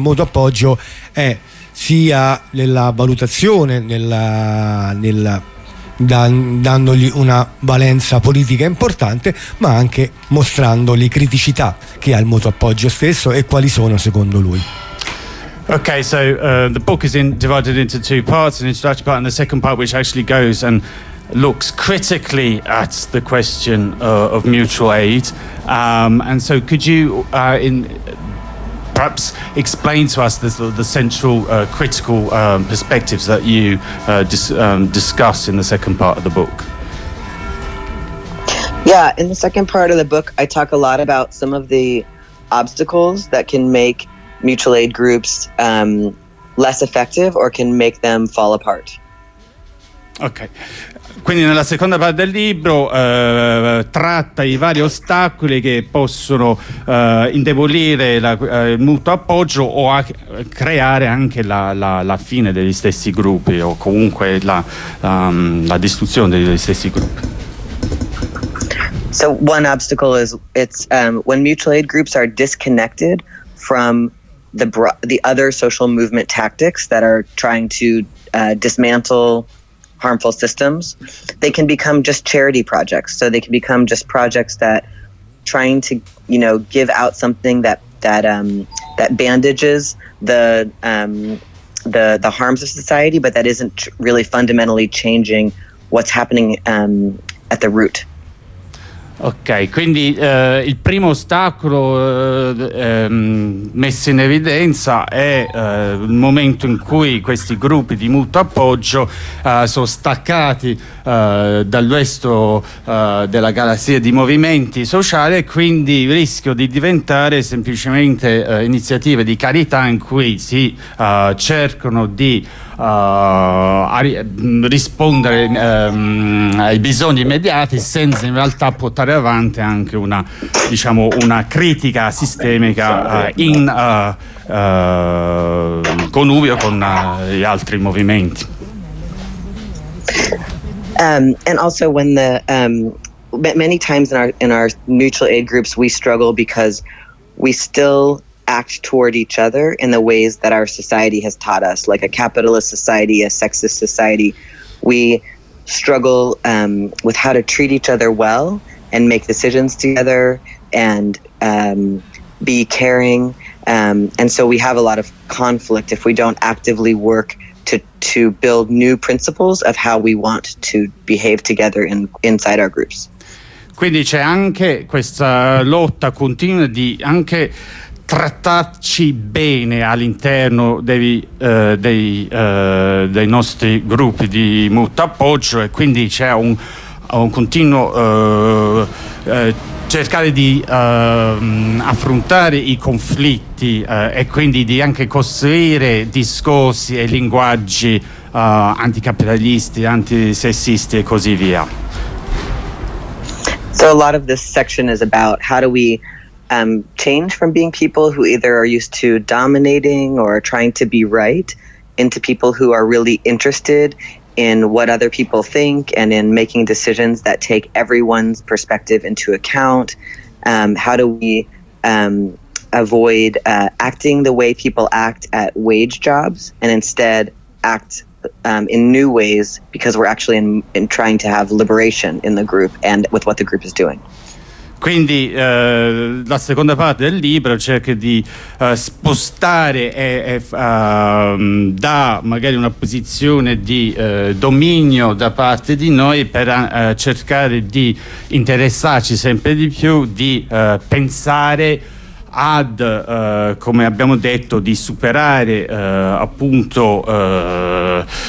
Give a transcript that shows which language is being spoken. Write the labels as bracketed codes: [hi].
[it] appoggio è sia nella valutazione, dandogli una valenza politica importante, ma anche mostrando le criticità che ha il mutuo appoggio stesso e quali sono secondo lui. [en] Okay, so the book is divided into two parts, an introduction part and the second part, which actually goes and looks critically at the question of mutual aid. And so could you perhaps explain to us the central critical perspectives that you discuss in the second part of the book? Yeah, in the second part of the book, I talk a lot about some of the obstacles that can make mutual aid groups less effective or can make them fall apart. Okay. [it] Quindi nella seconda parte del libro tratta i vari ostacoli che possono indebolire il mutuo appoggio o creare anche la fine degli stessi gruppi, o comunque la distruzione degli stessi gruppi. [en] So one obstacle is it's when mutual aid groups are disconnected from the other social movement tactics that are trying to dismantle harmful systems, they can become just charity projects. So they can become just projects that trying to, you know, give out something that bandages the harms of society, but that isn't really fundamentally changing what's happening at the root. [it] Ok, quindi il primo ostacolo messo in evidenza è il momento in cui questi gruppi di mutuo appoggio sono staccati dal resto della galassia di movimenti sociali, e quindi il rischio di diventare semplicemente iniziative di carità in cui si cercano di rispondere ai bisogni immediati senza in realtà portare avanti anche una, diciamo, una critica sistemica connubio con gli altri movimenti. [en] And also when the many times in our mutual aid groups, we struggle because we still act toward each other in the ways that our society has taught us, like a capitalist society, a sexist society. We struggle with how to treat each other well and make decisions together and be caring. And so we have a lot of conflict if we don't actively work to build new principles of how we want to behave together inside our groups. [it] Quindi c'è anche questa lotta continua di anche trattarci bene all'interno dei nostri gruppi di mutuo appoggio, e quindi c'è un continuo cercare di affrontare i conflitti e quindi di anche costruire discorsi e linguaggi anticapitalisti, antisessisti e così via. [en] So a lot of this section is about how do we change from being people who either are used to dominating or trying to be right into people who are really interested in what other people think and in making decisions that take everyone's perspective into account. How do we avoid acting the way people act at wage jobs and instead act in new ways because we're actually in trying to have liberation in the group and with what the group is doing. [it] Quindi la seconda parte del libro cerca di spostare da magari una posizione di dominio da parte di noi per cercare di interessarci sempre di più, di pensare ad, come abbiamo detto, di superare appunto